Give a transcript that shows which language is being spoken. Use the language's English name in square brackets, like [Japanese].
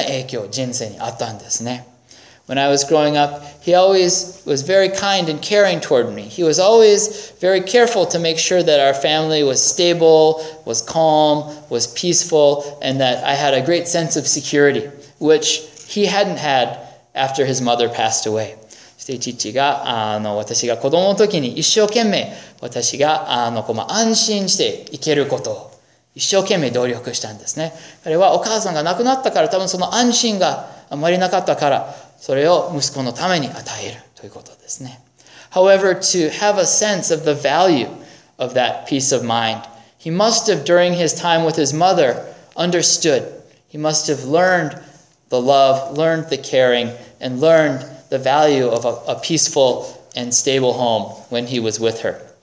[Japanese] して私の父がその若い時にお母さんを亡くしたということは大きな影響を人生にあったんですね。 [English] When I was growing up, he always was very kind and caring toward me. He was always very careful to make sure that our family was stable, was calm, was peaceful, and that I had a great sense of security, which he hadn't had after his mother passed away. [Japanese] して父が、私が子供の時に一生懸命、私が、安心して生けることを一生懸命努力したんですね。あれはお母さんが亡くなったから、多分その安心があまりなかったから、それを息子のために与えるということですね。 [English] However, to have a sense of the value of that peace of mind, he must have, during his time with his mother, understood. He must have learned the love, learned the caring, and learned the value of a peaceful and stable home when he was with her.